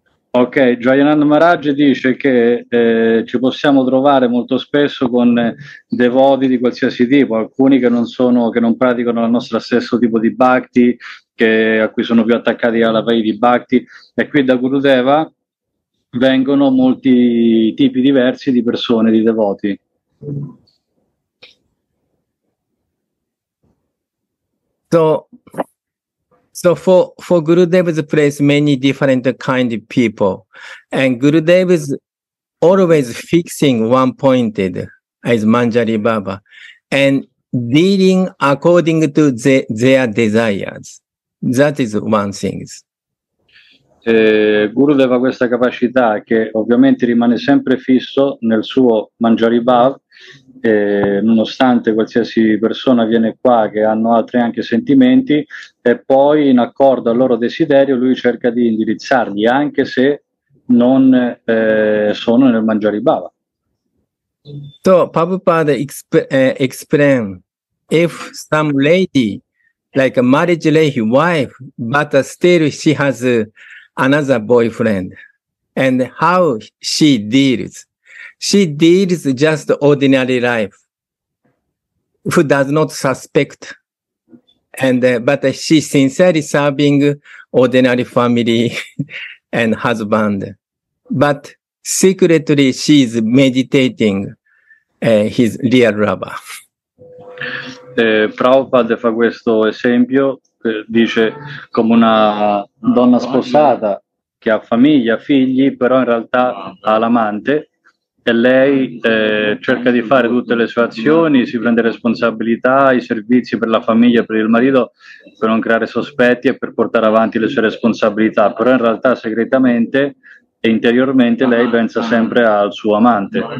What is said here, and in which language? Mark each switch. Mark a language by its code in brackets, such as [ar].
[it] Ok, Jayanand Maharaj dice che ci possiamo trovare molto spesso con devoti di qualsiasi tipo, alcuni che non praticano il nostro stesso tipo di bhakti, a cui sono più attaccati alla vai di bhakti, e qui da Gurudeva vengono molti tipi diversi di persone, di devoti. [en] So for Gurudev's place, many different kind of people. And Gurudev is always fixing one pointed as Manjari Baba and dealing according to their desires. That is one thing. [it] Gurudev ha questa capacità che ovviamente rimane sempre fisso nel suo Manjari Bhav, nonostante qualsiasi persona viene qua che hanno altri anche sentimenti, e poi in accordo al loro desiderio lui cerca di indirizzarli anche se non sono nel Manjari Bhava. [en] So Prabhupada explain if some lady like a marriage lady wife but still she has another boyfriend and how she deals just ordinary life, who does not suspect, and but she sincerely serving ordinary family and husband, but secretly she is meditating his real lover. [it] Prabhupada fa questo esempio, dice come una donna sposata che ha famiglia, figli, però in realtà ha l'amante, e lei cerca di fare tutte le sue azioni, si prende responsabilità, i servizi per la famiglia, per il marito, per non creare sospetti e per portare avanti le sue responsabilità, però in realtà segretamente e interiormente lei pensa sempre al suo amante.